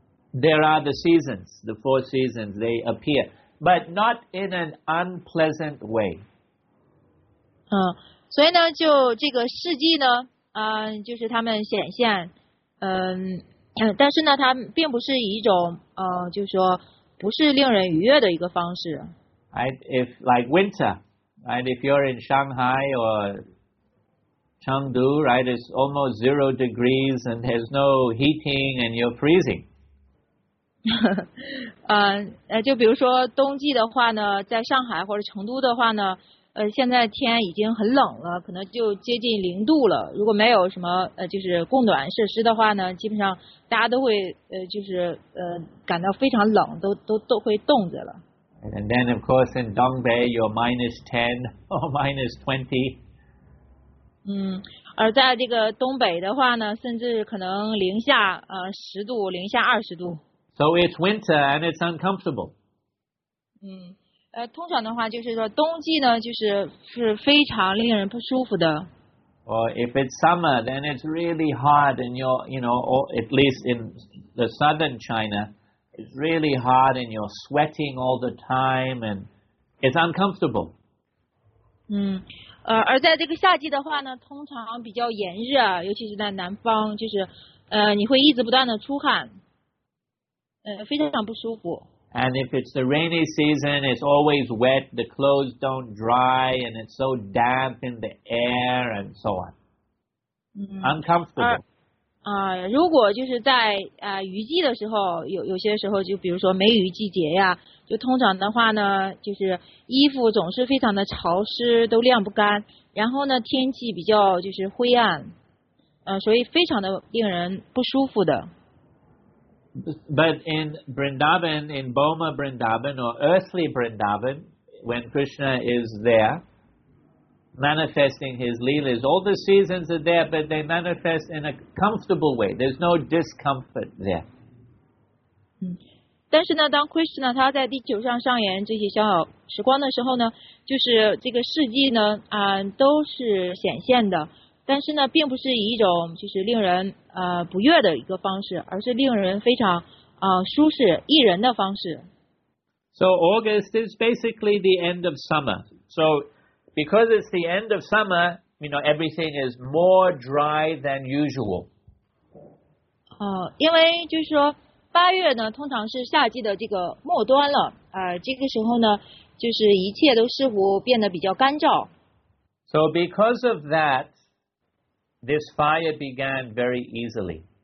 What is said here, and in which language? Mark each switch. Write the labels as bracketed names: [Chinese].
[English] There are the seasons, the four seasons, they appear, but not in an unpleasant way. [Chinese] 所以呢，就这个四季呢，就是他们显现，但是呢，它并不是以一种，就是说，不是令人愉悦的一个方式。 [English] If like winter, right? If you're in Shanghai or Chengdu, right? It's almost 0 degrees and there's no heating and you're freezing. [Chinese] 就比如说冬季的话呢，在上海或者成都的话呢，现在天已经很冷了，可能就接近零度了。如果没有什么就是供暖设施的话呢，基本上大家都会就是感到非常冷，都会冻着了。 [English] And then of course in Dongbei you're -10 or -20. [Chinese] 而在这个东北的话呢，甚至可能零下十度、零下二十度。 [English] So it's winter and it's uncomfortable. [Chinese] 通常的话就是说冬季呢就是非常令人不舒服的。 [English] Or if it's summer, then it's really hot and you know, at least in the southern China, it's really hot and you're sweating all the time and it's uncomfortable. [Chinese] 而在这个夏季的话呢，通常比较炎热，尤其是在南方，就是你会一直不断的出汗。非常不舒服。 [English] And if it's the rainy season, it's always wet, the clothes don't dry, and it's so damp in the air, and so on. Uncomfortable. [Chinese] 如果就是在雨季的时候，有些时候就比如说梅雨季节呀，就通常的话呢，就是衣服总是非常的潮湿，都晾不干，然后呢，天气比较就是灰暗，所以非常的令人不舒服的。 [English] But in Vrindavan, in Boma Vrindavan, or earthly Vrindavan, when Krishna is there, manifesting his leelas, all the seasons are there, but they manifest in a comfortable way. There's no discomfort there. [Chinese] 但是呢，当 Krishna 他在地球上上演这些逍遥时光的时候呢，就是这个事迹呢，都是显现的。但是呢，并不是以一种就是令人不悦的一个方式，而是令人非常舒适、宜人的方式。 [English] So August is basically the end of summer. So because it's the end of summer, you know, everything is more dry than usual. [Chinese] 因为就是说八月呢，通常是夏季的这个末端了，这个时候呢，就是一切都似乎变得比较干燥。 [English] So because of that. This fire began very easily.